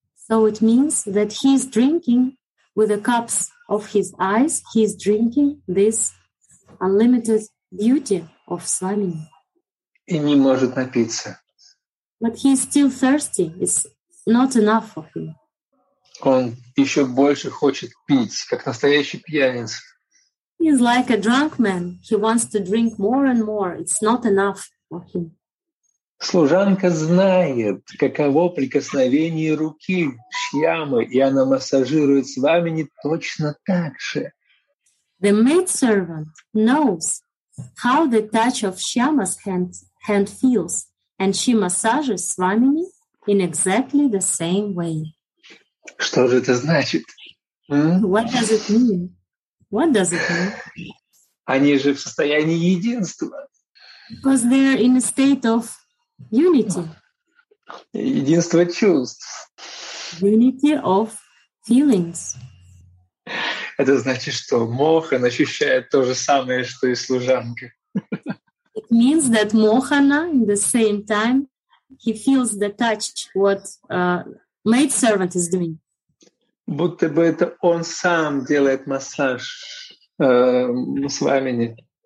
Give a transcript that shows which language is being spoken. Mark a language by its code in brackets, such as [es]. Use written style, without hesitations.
[en] So it means that he is drinking with the cups of his eyes, he is drinking this unlimited beauty of Swamini. [ru] И не может напиться. [en] But he is still thirsty, it's not enough for him. [ru] Он еще больше хочет пить, как настоящий пьяница. [en] He's like a drunk man. He wants to drink more and more. It's not enough for him. [ru] Служанка знает, каково прикосновение руки Шьямы, и она массажирует Свамини точно так же. [en] The maidservant knows how the touch of Shyama's hand feels, and she massages Swamini in exactly the same way. [ru] Что же это значит? [en] What does it mean? What does it mean? [ru] Они же в состоянии единства. [en] Because they're in a state of unity. [ru] Единство чувств. [en] Unity of feelings. [ru] Это значит, что Мохан ощущает то же самое, что и служанка. [en] It means that Mohana, in the same time, he feels the touch what maidservant is doing. [ru] Будто бы это он сам делает массаж Свамини.